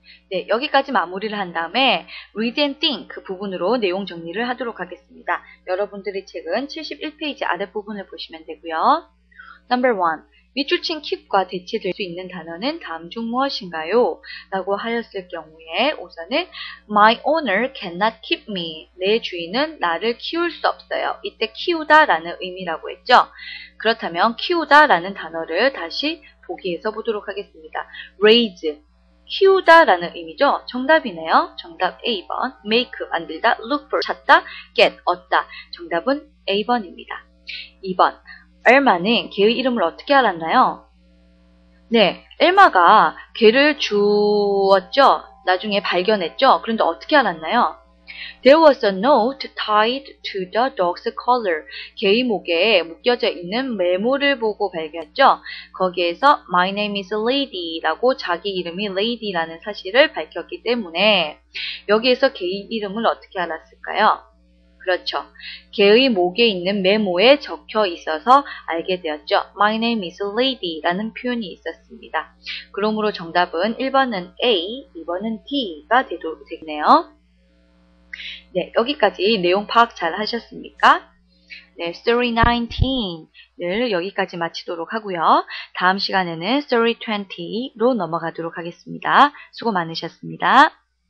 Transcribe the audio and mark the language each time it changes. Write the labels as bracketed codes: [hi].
[ko] 네, 여기까지 마무리를 한 다음에 Read and Think 그 부분으로 내용 정리를 하도록 하겠습니다. 여러분들의 책은 71페이지 아랫부분을 보시면 되고요. [en] Number 1. [ko] 밑줄 친 keep과 대체될 수 있는 단어는 다음 중 무엇인가요? 라고 하였을 경우에 우선은 [en] My owner cannot keep me. [ko] 내 주인은 나를 키울 수 없어요. 이때 키우다 라는 의미라고 했죠. 그렇다면 키우다 라는 단어를 다시 보기에서 보도록 하겠습니다. raise, 키우다 라는 의미죠. 정답이네요. 정답 A번, make, 만들다, look for, 찾다, get, 얻다. 정답은 A번입니다. 2번, 엘마는 개의 이름을 어떻게 알았나요? 네, 엘마가 개를 주었죠. 나중에 발견했죠. 그런데 어떻게 알았나요? [en] There was a note tied to the dog's collar. [ko] 개의 목에 묶여져 있는 메모를 보고 발견했죠. 거기에서 [en] My name is Lady [ko] 라고 자기 이름이 Lady라는 사실을 밝혔기 때문에 여기에서 개의 이름을 어떻게 알았을까요? 그렇죠. 개의 목에 있는 메모에 적혀 있어서 알게 되었죠. [en] My name is Lady [ko] 라는 표현이 있었습니다. 그러므로 정답은 1번은 A, 2번은 D가 되겠네요. 네, 여기까지 내용 파악 잘 하셨습니까? 네, Story 19을 여기까지 마치도록 하고요. 다음 시간에는 Story 20로 넘어가도록 하겠습니다. 수고 많으셨습니다.